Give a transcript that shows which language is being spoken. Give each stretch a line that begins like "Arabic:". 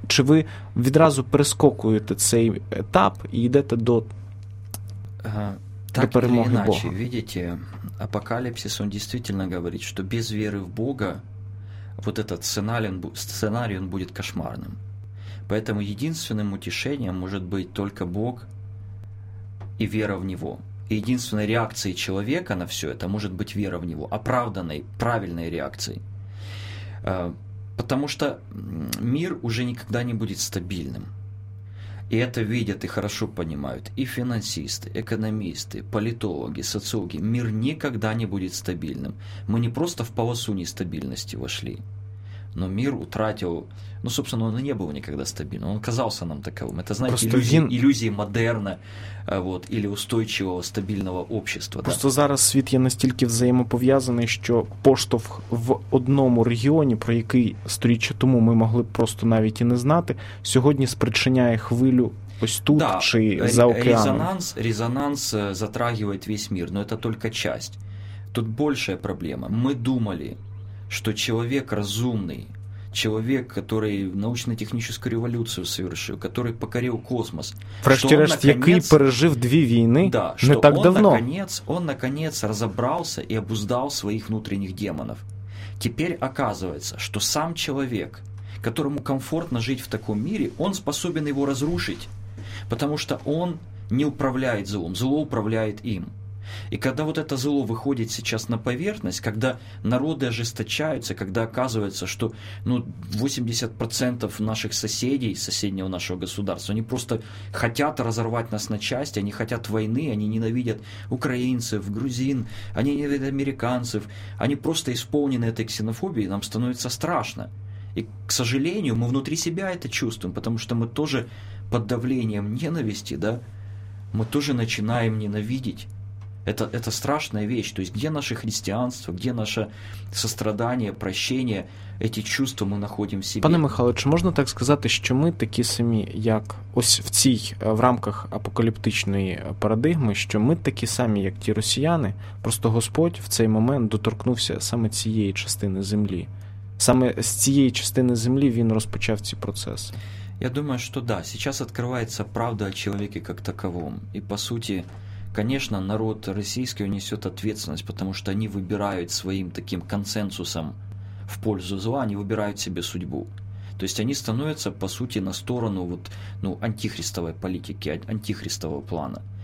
Ukrainian: Чи ви відразу перескокуєте цей етап і йдете до перемоги Бога? Так, видите, апокаліпсис, він дійсно говорить, що без віри в Бога
Russian: вот этот
Ukrainian: сценарій буде кошмарним.
Russian: Поэтому
Ukrainian: єдиним утішенням може бути тільки Бог,
Russian: и вера в него. И единственной реакцией человека на все это может быть вера в него, оправданной, правильной реакцией. Потому что мир уже никогда не будет стабильным. И это видят и хорошо понимают и финансисты, экономисты, политологи, социологи. Мир никогда не будет стабильным. Мы не просто в полосу нестабильности вошли, но мир утратил... Ну, собственно, он и не был никогда стабильным. Он казался нам таковым. Это, знаете, иллюзии модерна, вот, или устойчивого, стабильного общества. Просто да?
Ukrainian: Зараз світ є настільки взаємопов'язаний, що поштовх в одному регіоні, про який сторіччя тому ми могли просто навіть і не знати, сьогодні спричиняє хвилю ось тут,
Russian: да,
Ukrainian: чи за океаном. Резонанс затрагує
Russian: весь мир, но это только часть. Тут большая проблема.
Ukrainian: Ми думали,
Russian: что человек разумный, человек, который научно-техническую революцию совершил, который покорил космос.
Ukrainian: Врешті-решт, який пережив дві війни,
Russian: да,
Ukrainian: не так давно.
Russian: Он, наконец, разобрался и обуздал своих внутренних демонов. Теперь оказывается, что сам человек, которому комфортно жить в таком мире, он способен его разрушить, потому что он не управляет злом, зло управляет им. И когда вот это зло выходит сейчас на поверхность, когда народы ожесточаются, когда оказывается, что ну, 80% наших соседей, соседнего нашего государства, они просто хотят разорвать нас на части, они хотят войны, они ненавидят украинцев, грузин, они ненавидят американцев, они просто исполнены этой ксенофобией, нам становится страшно. И, к сожалению, мы внутри себя это чувствуем, потому что мы тоже под давлением ненависти, да, мы тоже начинаем ненавидеть. Это страшная вещь. То есть где наше христианство, где наше сострадание, прощение, эти чувства мы находим в себе?
Ukrainian: Пане Михайло, чи можна так сказати, що ми такі самі, як ось в цій, в рамках апокаліптичної парадигми, що ми такі самі, як ті росіяни, просто Господь в цей момент доторкнувся саме цієї частини землі. Саме з цієї частини землі він розпочав ці процеси. Я думаю, що да, зараз відкривається правда о чоловіку як таковому. І по суті,
Russian: конечно, народ российский несет ответственность, потому что они выбирают своим таким консенсусом в пользу зла, они выбирают себе судьбу. То есть они становятся, по сути, на сторону вот, ну, антихристовой политики, антихристового плана.